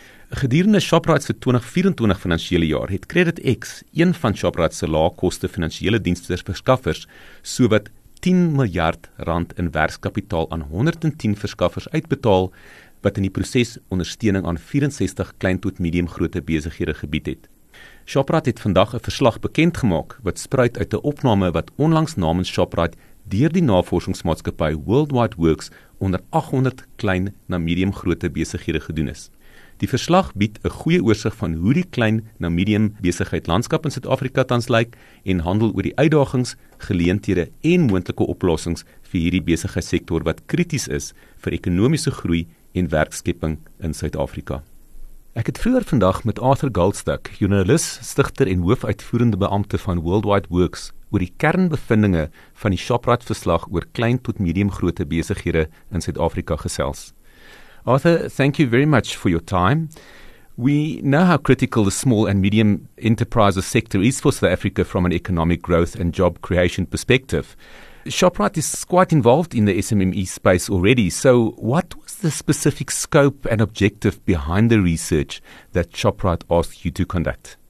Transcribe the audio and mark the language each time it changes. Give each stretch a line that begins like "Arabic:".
Afrikaans: Gedurende Shoprite se 2024 finansiële jaar het CreditX, een van Shoprite se laagkoste finansiële diensverskaffers, sowat 10 miljard rand in werkskapitaal aan 110 verskaffers uitbetaal, wat in die proses ondersteuning aan 64 klein tot medium grootte besighede gebied het. Shoprite het vandag 'n verslag bekend gemaak wat spruit uit 'n opname wat onlangs namens Shoprite deur die navorsingsmaatskappy Worldwide Works onder 800 klein na medium grootte besighede gedoen is. Die verslag bied 'n goeie oorsig van hoe die klein na medium besigheid landskap in Suid-Afrika tans lyk en handel oor die uitdagings, geleenthede en moontlike oplossings vir hierdie besigheidssektor wat krities is vir ekonomiese groei en werkskepping in Suid-Afrika. Ek het vroeër vandag met Arthur Goldstuck, joernalis, stigter en hoofuitvoerende beampte van Worldwide Works, oor die kernbevindinge van die Shoprite-verslag oor klein tot medium grootte besighede in Suid-Afrika gesels.
English: Arthur, thank you very much for your time. We know how critical the small and medium enterprises sector is for South Africa from an economic growth and job creation perspective. Shoprite is quite involved in the SMME space already. So what was the specific scope and objective behind the research that Shoprite asked you to conduct?